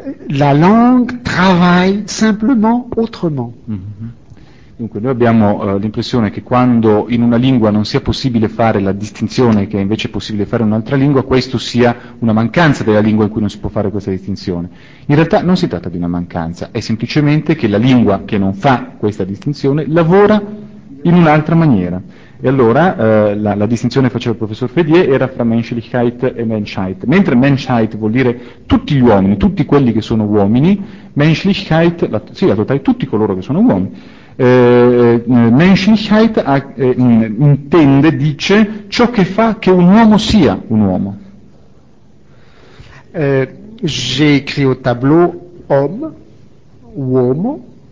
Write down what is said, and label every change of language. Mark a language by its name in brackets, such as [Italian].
[French] La langue travaille simplement autrement. Mm-hmm. [Italian] Dunque, noi abbiamo l'impressione che quando in una lingua non sia possibile fare la distinzione che è invece possibile fare in un'altra lingua, questo sia una mancanza della lingua in cui non si può fare questa distinzione. In realtà non si tratta di una mancanza, è semplicemente che la lingua che non fa questa distinzione lavora in un'altra maniera. E allora la distinzione che faceva il professor Fedier era fra Menschlichkeit e Menschheit. Mentre Menschheit vuol dire tutti gli uomini, tutti quelli che sono uomini, Menschlichkeit, la totale, tutti coloro che sono uomini, Menschlichkeit intende, dice, ciò che fa che un uomo sia un uomo. [French] J'ai écrit au tableau homme, uomo.